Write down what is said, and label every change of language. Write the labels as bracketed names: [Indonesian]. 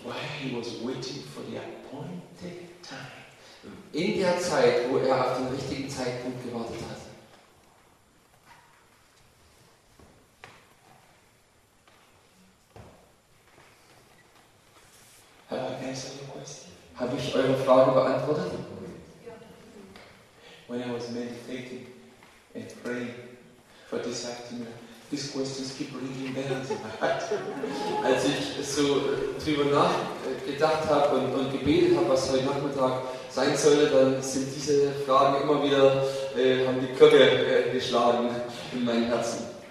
[English] While he was waiting for the appointed time. [German] In der Zeit, wo er auf den richtigen Zeitpunkt gewartet hat. Habe ich eure Frage beantwortet? [English] When I was meditating and praying for this afternoon, these questions keep ringing bells in my heart. [German] Als ich so drüber nachgedacht habe und gebetet habe, was heute Nachmittag sein sollte, dann sind diese Fragen immer wieder, haben die Glocke geschlagen in meinem Herzen.